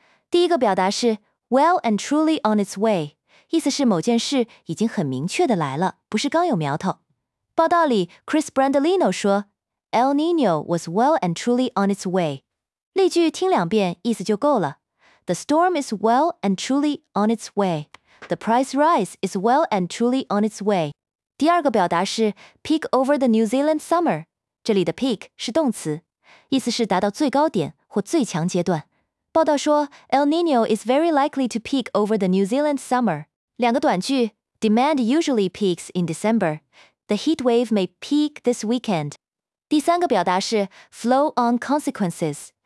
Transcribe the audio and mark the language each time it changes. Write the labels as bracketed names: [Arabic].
[Chinese] 第一个表达是 [English] well and truly on its way， [Chinese] 意思是某件事已经很明确的来了，不是刚有苗头。报道里 [English] ，Chris Brandolino 说 ，El Niño was well and truly on its way。 [Chinese] 例句听两遍，意思就够了。 [English] The storm is well and truly on its way. The price rise is well and truly on its way. [Chinese] 第二个表达是 [English] peak over the New Zealand summer. [Chinese] 这里的 peak 是动词，意思是达到最高点或最强阶段。报道说 [English] El Nino is very likely to peak over the New Zealand summer. [Chinese] 两个短句 [English] Demand usually peaks in December. The heat wave may peak this weekend. [Chinese] 第三个表达是 [English] flow on consequences.